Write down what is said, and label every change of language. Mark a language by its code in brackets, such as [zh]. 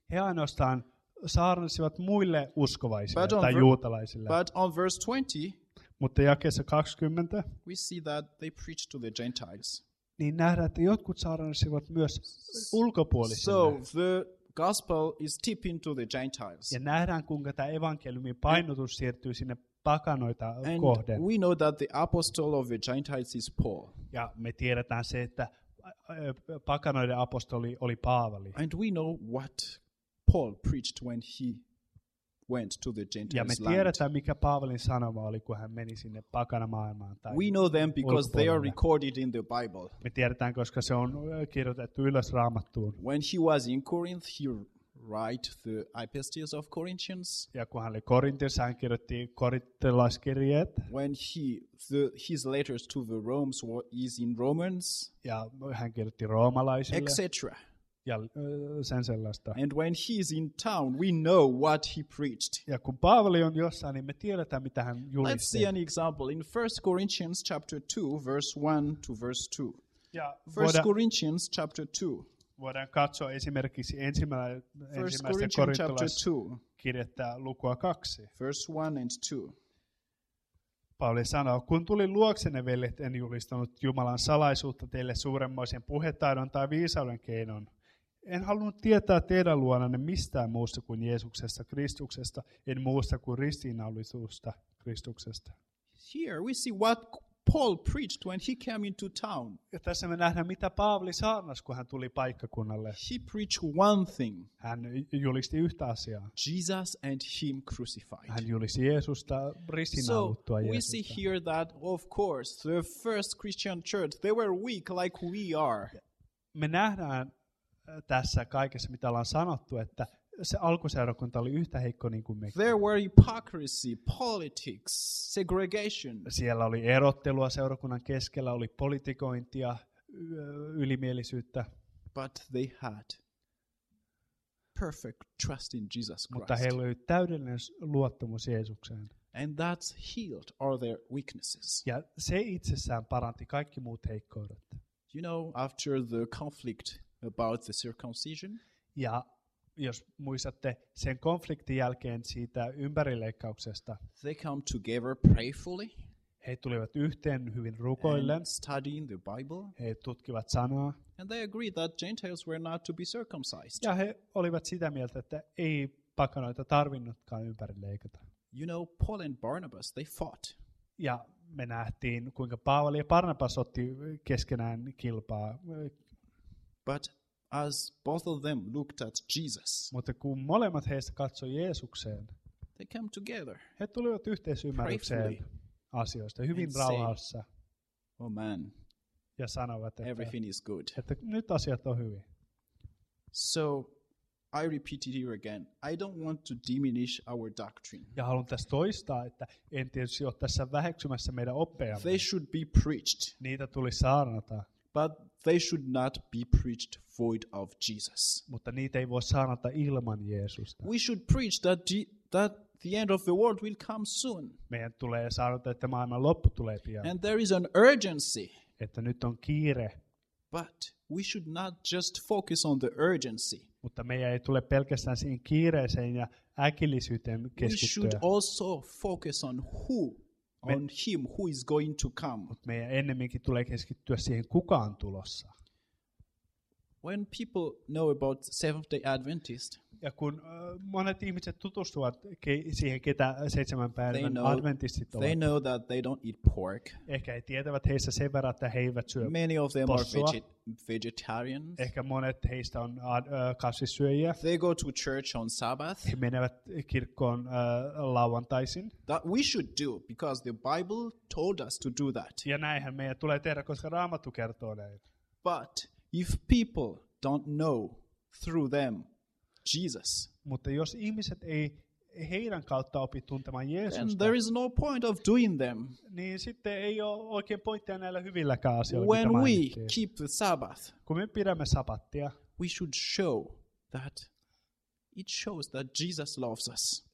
[fi] He ainoastaan saarnasivat muille uskovaisille tai juutalaisille. [en] But on verse 20, [fi] mutta jakeessa 20, [en] we see that they preach to the Gentiles. [fi] Niin nähdään, että jotkut saarnasivat myös ulkopuolisille. [en] So the gospel is tipping to the Gentiles. [fi] Ja nähdään, kuinka tämä evankeliumin painotus siirtyy sinne pakanoita kohden. [en] And we know that the apostle of the Gentiles is Paul. [fi] Ja me tiedetään se, että pakanoiden apostoli oli Paavali. [en] And we know what Paul preached when he went to the Gentiles. [fi] Ja me tiedetään, mikä Paavalin sanoma oli, kun hän meni sinne pakanamaailmaan. [en] We know them because they are recorded in the Bible. [fi] Me tiedetään, koska se on kirjoitettu ylös Raamattuun. [en] When he was in Corinth, he write the epistles of Corinthians. [fi] Ja kun hän oli Korintissa, hän kirjoitti korintilaiskirjeet. [en] When his letters to the Romans is in Romans. [fi] Ja hän kirjoitti roomalaisille. [en] Etc. [fi] Ja sen sellaista. [en] And when he is in town, we know what he preached. [fi] Ja kun Paavali on jossain, niin me tiedetään, mitä hän julisti. [en] Let's see an example in 1 Corinthians chapter 2, verse 1 to verse 2. [fi] Ja [en] 1 Corinthians chapter 2. [fi] Voidaan katsoa esimerkiksi ensimmäisten korintolaiskirjettä lukua 2. [en] Verse 1 and 2. [fi] Pauli sanoo, kun tulin luoksenne, veljet, en julistanut Jumalan salaisuutta teille suuremmoisen puhetaidon tai viisauden keinon. En halunnut tietää teidän luonanne mistään muusta kuin Jeesuksesta Kristuksesta, en muusta kuin ristiinnaulitusta Kristuksesta. [en] Here we see what Paul preached when he came into town. [fi] Ja tässä me nähdään, mitä Paavali saarnasi, kun hän tuli paikkakunnalle. [en] He preached one thing. [fi] Hän julisti yhtä asiaa. [en] Jesus and him crucified. [fi] Hän julisti Jeesusta ristiinnaulittua Jeesusta. [en] So we see here that of course the first Christian church, they were weak like we are. [fi] Me nähdään tässä kaikessa, mitä ollaan sanottu, että se alkuseurakunta oli yhtä heikko niin kuin mekin. [en] There were hypocrisy, politics, segregation. [fi] Siellä oli erottelua seurakunnan keskellä, oli politikointia, ylimielisyyttä. [en] But they had perfect trust in Jesus Christ. [fi] Mutta heillä oli täydellinen luottamus Jeesukseen. [en] And that's healed all their weaknesses. [fi] Ja se itsessään paranti kaikki muut heikkoudet. [en] You know, after the conflict about the circumcision. [fi] Ja jos muistatte sen konfliktin jälkeen siitä ympärileikkauksesta. [en] They come together prayerfully. [fi] He tulivat yhteen hyvin rukoillen. [en] Studying the Bible. [fi] He tutkivat sanaa. [en] And they agreed that Gentiles were not to be circumcised. [fi] Ja he olivat sitä mieltä, että ei pakanoita tarvinnutkaan ympärileikata. [en] You know, Paul and Barnabas, they fought. [fi] Ja me nähtiin, kuinka Paavali ja Barnabas otti keskenään kilpaa. [en] But as both of them looked at Jesus. [fi] Mutta kun molemmat heistä katsoi Jeesukseen. [en] They came together. [fi] He tulivat yhteisymmärrykseen asioista hyvin rauhassa. [en] Say, oh man. [fi] Ja sanovat, että [en] everything is good. [fi] Että nyt asiat on hyvin. [en] So I repeat it here again. I don't want to diminish our doctrine. [fi] Ja haluan tässä toistaa, että en tietysti ole tässä väheksymässä meidän oppeamme. [en] They should be preached. [fi] Niitä tuli saarnata. [en] But they should not be preached void of Jesus. [fi] Mutta niitä ei voi saarnata ilman Jeesusta. [en] We should preach that the end of the world will come soon. [fi] Meidän tulee saarnata, että maailman loppu tulee pian. [en] And there is an urgency. [fi] Että nyt on kiire. [en] But we should not just focus on the urgency. [fi] Mutta meidän ei tule pelkästään siihen kiireeseen ja äkillisyyteen keskittyä. [en] We should also focus on who. On him who is going to come. [fi] Meidän ennemminkin tulee keskittyä siihen, kuka on tulossa. [en] When people know about Seventh-day Adventist, [fi] ja kun monet ihmiset tutustuvat siihen, ketä seitsemän päivän adventistit ovat, [en] they know that they don't eat pork. [fi] Ehkä he tietävät heistä sen verran, että he eivät syö [en] Many of them [fi] possua. [en] Are vegetarians. [fi] Ehkä monet heistä on kasvissyöjiä. [en] They go to church on Sabbath. [fi] He menevät kirkkoon lauantaisin. [en] That we should do because the Bible told us to do that. [fi] Ja näinhän meidän tulee tehdä, koska Raamattu kertoo näin. [en] But if people don't know through them Jesus, [fi] mutta jos ihmiset ei heidän kautta opi tuntemaan Jeesusta, [en] then there is no point of doing them. [fi] Niin sitten ei ole oikein pointtia näillä hyvilläkään asioilla. [en] When we keep the Sabbath, [fi] kun me pidämme sabattia, [en] we should show that it shows that Jesus loves us.